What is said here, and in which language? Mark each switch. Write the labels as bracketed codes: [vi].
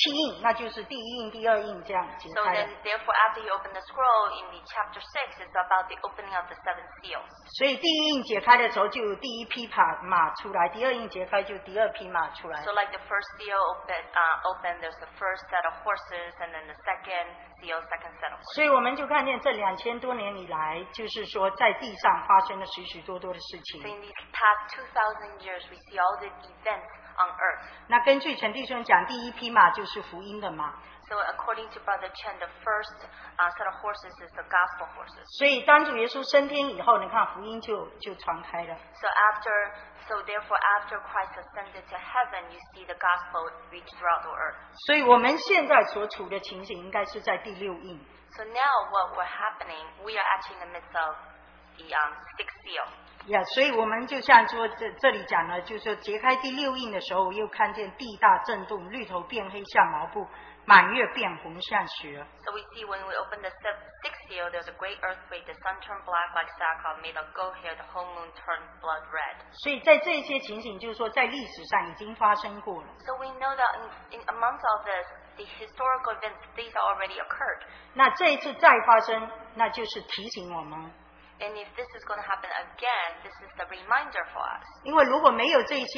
[zh] 所以当主耶稣展开的时候，你就第六章就讲到，就是揭开七印，那就是第一印、第二印这样揭开。 [en] So then, therefore, after you open the scroll in the chapter 6, it's about the opening of the seven seals. [zh] 所以第一印揭开的时候，就有第一匹马出来；第二印揭开，就第二匹马出来。 [en] So like the first seal open, there's the first set of horses, and then the second. [zh] 所以我们就看见这两千多年以来，就是说在地上发生了许许多多的事情。 [en] So in these past 2,000 years, we see all the events on earth. [zh] 那根据陈弟兄讲，第一匹马就是福音的马。 [en] So according to Brother Chen, the first set of horses is the gospel horses. [zh] 所以当主耶稣升天以后，你看福音就传开了。So [en] after, so therefore after Christ ascended to heaven, you see the gospel reach throughout the earth. [zh] 所以我们现在所处的情形应该是在第六印。So [en] now what we're happening, we are actually in the midst of the sixth seal. [zh] Yeah, 所以我们就像说这里讲了，就是说揭开第六印的时候，又看见地大震动，绿头变黑，像麻布，满月变红，像雪。So [en] we see when we open the sixth seal, there's a great earthquake. The sun turned black like sackcloth, made of gold hair. The whole moon turned blood red. [zh] 所以在这些情形，就是说在历史上已经发生过了。So [en] we know that in amongst all this, the historical events, these are already occurred. [zh] 那这一次再发生，那就是提醒我们。 [en] And if this is going to happen again, this is the reminder for us.